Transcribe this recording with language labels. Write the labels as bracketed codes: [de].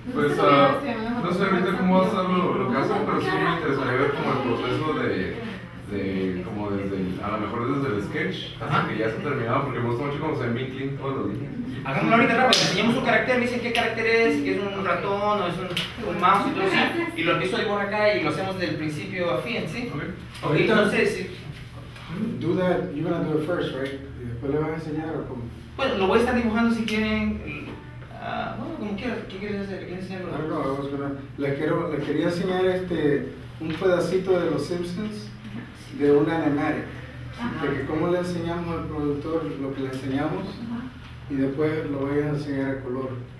[es] Pues, no sé ahorita cómo va a ser lo que hacen, pero sí me interesaría ver como el proceso de como desde a lo mejor desde el sketch, hasta que ya se ha terminado, porque me gusta mucho como se Minklin todos los días. Hagámoslo ahorita rápido, enseñamos un carácter, me dicen qué carácter es, si es un ratón o es un mouse y todo así, y lo empiezo a dibujar acá y lo hacemos desde el principio a fin, ¿sí? Okay. Entonces, [en] do that, you're gonna do it first, right? [es] ¿Y después le van a enseñar o cómo? Bueno, lo voy a estar dibujando si quieren. Bueno, como quieras, ¿qué quieres hacer? ¿Qué quieres enseñar? Le quería enseñar un pedacito de los Simpsons de una animatic. Porque cómo le enseñamos al productor lo que le enseñamos. Ajá. Y después lo voy a enseñar a color.